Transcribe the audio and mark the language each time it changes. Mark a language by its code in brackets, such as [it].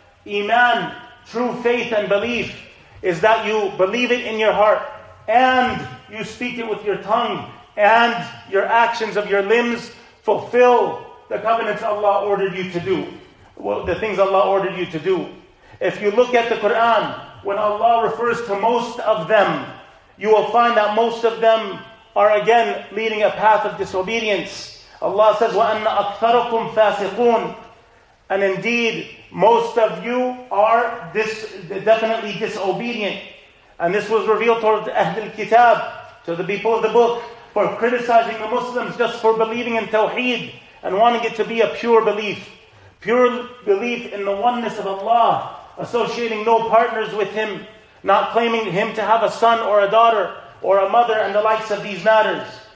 [en] Iman, true faith and belief, is that you believe it in your heart and you speak it with your tongue and your actions of your limbs fulfill the covenants Allah ordered you to do, the things Allah ordered you to do. If you look at the Quran, when Allah refers to most of them, you will find that most of them are again leading a path of disobedience. [ar] Allah says, وَأَنَّ أَكْثَرَكُمْ فَاسِقُونَ. [en] And indeed, most of you are definitely disobedient. And this was revealed towards Ahlul Kitab, to the people of the book, for criticizing the Muslims just for believing in Tawheed and wanting it to be a pure belief. Pure belief in the oneness of Allah, associating no partners with Him, not claiming Him to have a son or a daughter or a mother and the likes of these matters.